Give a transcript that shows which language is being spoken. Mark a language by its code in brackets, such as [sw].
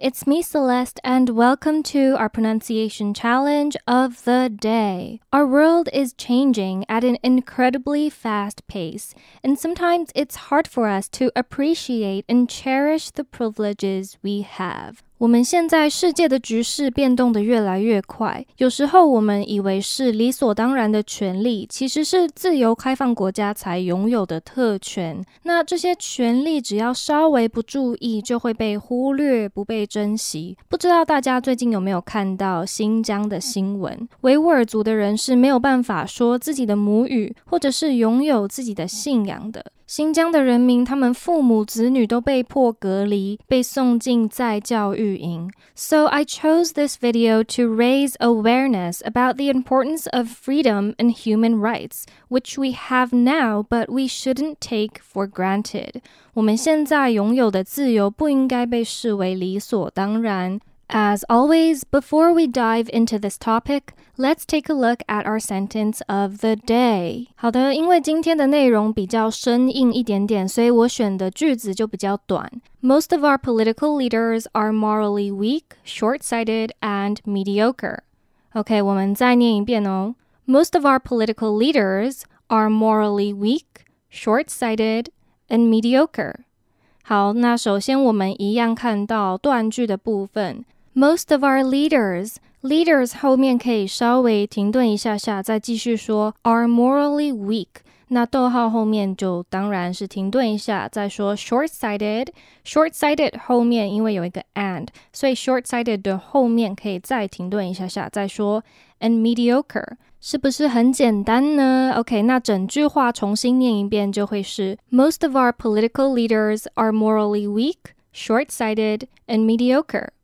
[en] It's me, Celeste, and welcome to our pronunciation challenge of the day. Our world is changing at an incredibly fast pace, and sometimes it's hard for us to appreciate and cherish the privileges we have. [zh] 我们现在世界的局势变动得越来越快，有时候我们以为是理所当然的权利，其实是自由开放国家才拥有的特权。那这些权利只要稍微不注意，就会被忽略，不被珍惜。不知道大家最近有没有看到新疆的新闻？维吾尔族的人是没有办法说自己的母语，或者是拥有自己的信仰的。新疆的人民，他们父母子女都被迫隔离，被送进在教育营。 [en] So I chose this video to raise awareness about the importance of freedom and human rights, which we have now, but we shouldn't take for granted. [zh] 我们现在拥有的自由不应该被视为理所当然。 [en] As always, before we dive into this topic, let's take a look at our sentence of the day. [zh] 好的，因为今天的内容比较生硬一点点，所以我选的句子就比较短。 [en] Most of our political leaders are morally weak, short-sighted, and mediocre. [zh] OK, 我们再念一遍哦。 [en] Most of our political leaders are morally weak, short-sighted, and mediocre. [zh] 好，那首先我们一样看到断句的部分。 [en] Most of our leaders [zh] 后面可以稍微停顿一下下，再继续说 [en] are morally weak。 [zh] 那逗号后面就当然是停顿一下，再说 [en] short-sighted。 short-sighted [zh] 后面因为有一个 and， 所以 short-sighted 的后面可以再停顿一下下，再说 [en] and mediocre。 [zh] 是不是很简单呢 ？OK， 那整句话重新念一遍就会是 [en] ：Most of our political leaders are morally weak, short-sighted, and mediocre.